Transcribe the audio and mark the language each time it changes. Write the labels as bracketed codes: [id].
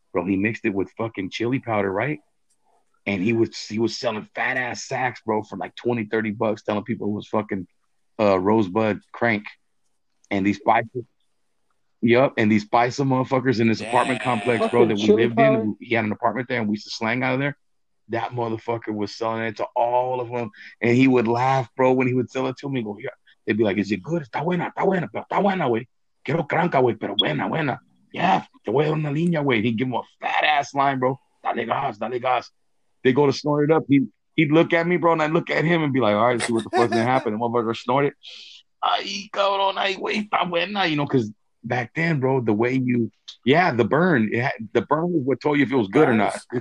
[en] Bro, he mixed it with fucking chili powder, right? And he was selling fat ass sacks, bro, for like 20, $30, telling people it was fucking Rosebud crank. And these spice, motherfuckers in this apartment complex, bro, that we lived in. He had an apartment there and we used to slang out of there. That motherfucker was selling it to all of them. And he would laugh, bro, when he would sell it to me. Go, yeah. They'd be like, is it good? [es] Está buena, wey. Quiero cranca, wey, pero buena. Yeah, te voy a dar una línea, güey. [en] He'd give him a fat ass line, bro. [es] Dale gas. [en] They go to snort it up. He'd look at me, bro, and I'd look at him and be like, all right, let's see what the fuck's gonna happen. And motherfucker snort it. [es] Ay, cabrón, ay, güey, está buena. [en] You know, because back then, bro, the way you, yeah, the burn, it had, the burn was what told you if it was good or not.